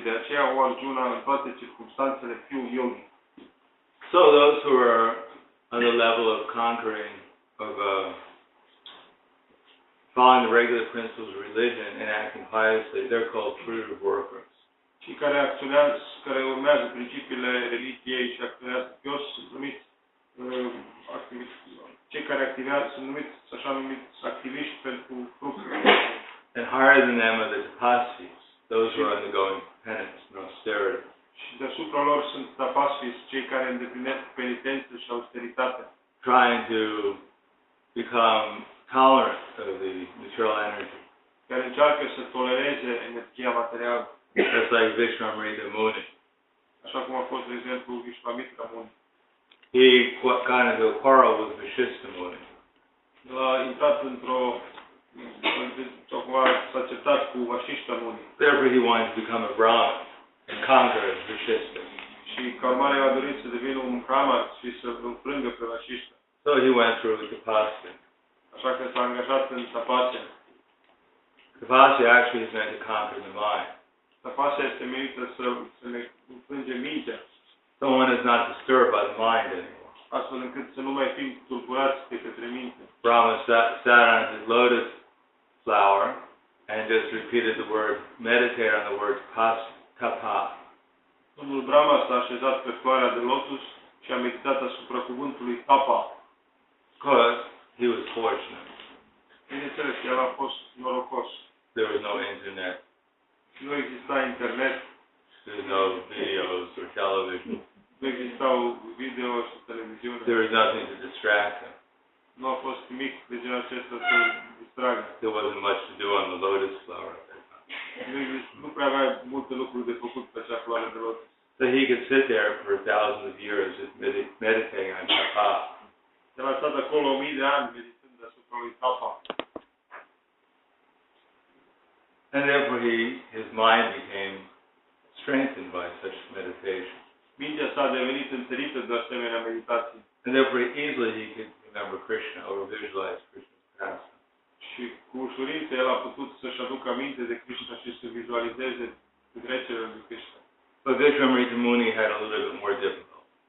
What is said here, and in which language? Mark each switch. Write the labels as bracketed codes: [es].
[ro] De aceea, o Arjuna, în toate circunstanțele, fiul yogi. [en] So those who are on the level of conquering, of following the regular principles of religion and acting piously, they're called fruitive workers. [ro] Și care acționează, care urmează principiile religiei și acționează pios, sunt numiți activiști pentru fructe. [en] And higher than them are the tapasis, those who are undergoing penance and austerity. [ro] Și deasupra lor sunt tapasis, cei care îndeplinesc penitență și austeritate. [en] Trying to become tolerant of the material energy. [ro] Care încearcă să tolereze energia materială. [en] That's like Vishwamitra Muni. [ro] Așa cum a fost, de exemplu, Vishwamitra Muni. [en] He got into a quarrel with Vishistha Muni. [ro] El a intrat într-o... Tocmai s-a certat cu Vashishtha Muni. [en] Therefore he wanted to become a Brahmin and conquer Vashishtha. [ro] Și Karmare a dorit să devină un Brahmin și să înfrângă pe Vashishtha. [en] So he went through the Tapasya. [ro] Așa că s-a angajat în Tapasya. [en] Tapasya actually is meant to conquer the mind. [ro] Tapasya este menită să ne înfrânge mintea. [en] So one is not disturbed by the mind anymore. [ro] Astfel încât să nu mai fim tulburați de către minte. [en] Brahma sat on his lotus flower and just repeated the word, meditate on the word tapa. [ro] Domnul Brahma s-a așezat pe floarea de lotus și a meditat asupra cuvântului tapa. [en] Because he was fortunate. [ro] Bineînțeles că el a fost norocos. [en] There was no internet. [ro] Nu exista internet. [en] There's no videos or television. [ro] Nu existau video și televiziune. [en] There was nothing to distract him. [ro] Nu a fost nimic de genul acesta să distragă. [en] There wasn't much to do on the lotus flower. [ro] Nu prea avea multe lucruri de făcut pe acea floare de lotus. [en] So he could sit there for thousands of years just meditating on tapa. [ro] El a stat acolo 1000 de ani meditând asupra lui tapa. [en] And therefore his mind became strengthened by such meditation. [ro] Mintea sa a devenit întărită de asemenea meditații. [en] And therefore easily he could remember Krishna or visualize Krishna's pastime. [ro] Și cu ușurință el a putut să-și aducă aminte de Krishna și să vizualizeze trecerea lui Krishna. [en] But Vishvamitra Muni had a little bit more difficult.